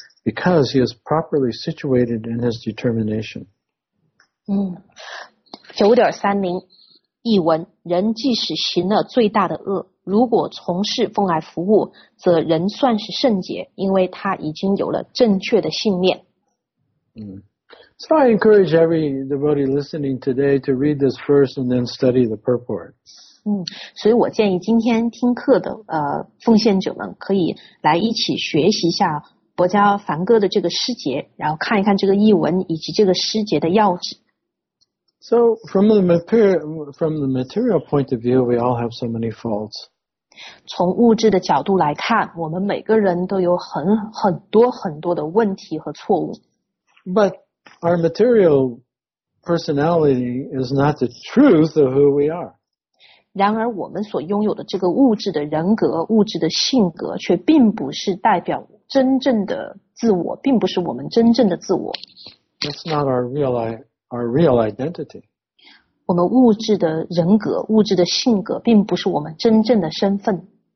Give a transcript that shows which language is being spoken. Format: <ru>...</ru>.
<en>Because he is properly situated in his determination.</en> <zh>9.30, 译文，人即使行了最大的恶，如果从事奉爱服务，则人算是圣洁，因为他已经有了正确的信念。</zh> <en>So I encourage every devotee listening today to read this verse and then study the purport.</en> <zh>所以我建议今天听课的奉献者们可以来一起学习一下薄伽梵歌的这个诗节，然后看一看这个译文以及这个诗节的要旨。</zh> <en>So from the material point of view, we all have so many faults.</en> <zh>从物质的角度来看，我们每个人都有很多的问题和错误。</zh> <en>But our material personality is not the truth of who we are.</en> <zh>然而我们所拥有的这个物质的人格、物质的性格，却并不是代表真正的自我，并不是我们真正的自我。</zh> <en>That's not our real identity.</en> <zh>我们物质的人格、物质的性格，并不是我们真正的身份。</zh>